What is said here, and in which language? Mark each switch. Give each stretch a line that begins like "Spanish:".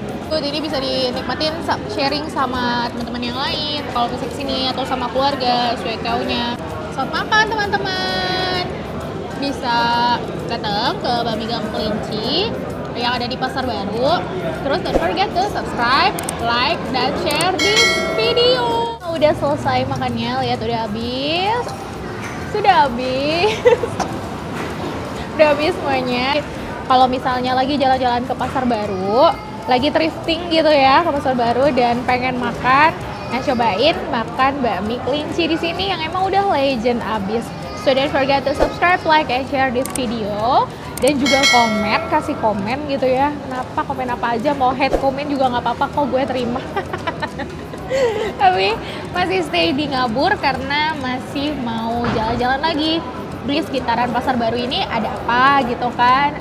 Indonesian: Good, ini bisa dinikmatin sharing sama teman-teman yang lain kalau bisa kesini atau sama keluarga suekaunya. Selamat makan teman-teman. Bisa datang ke Bami Gamplinci yang ada di Pasar Baru.
English: Terus don't forget to subscribe, like, dan share this video.
Indonesian: Udah selesai makannya, lihat udah habis. Sudah habis. Udah habis semuanya. Kalau misalnya lagi jalan-jalan ke Pasar Baru, lagi thrifting gitu ya ke Pasar Baru dan pengen makan, nah cobain makan bakmi kelinci di sini yang emang udah legend abis.
English: So don't forget to subscribe, like, and share this video.
Indonesian: Dan juga komen, kasih komen gitu ya. Kenapa, komen apa aja, mau hate komen juga gak apa-apa kok gue terima. Tapi masih stay di Ngabur karena masih mau jalan-jalan lagi. Di sekitaran Pasar Baru ini ada apa gitu kan.